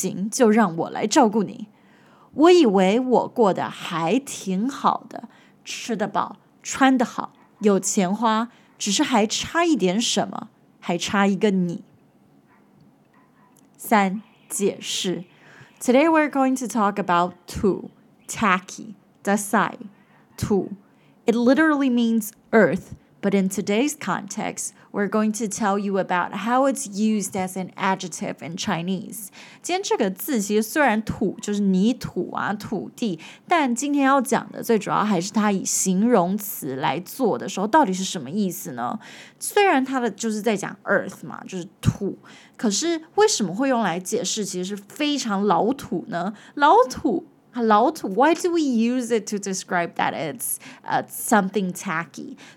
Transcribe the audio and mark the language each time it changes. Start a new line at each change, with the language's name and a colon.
Chinese: 好好照顾自己,不行就让我来照顾你。我以为我过得还挺好的, 吃得饱,穿得好, 有钱花, 只是还差一点什么,还差一个你。三,解释.
English: Today we're going to talk about 土, tacky, dasai. 土, it literally means earth. But in today's context, we're going to tell you about how it's used as an adjective in Chinese.
Chinese: 今天这个字其实虽然土就是泥土啊土地, 但今天要讲的最主要还是它以形容词来做的时候到底是什么意思呢? 虽然它的就是在讲earth嘛, 就是土, 可是为什么会用来解释其实是非常老土呢?
English: 老土, why do we use it to describe that it's something tacky?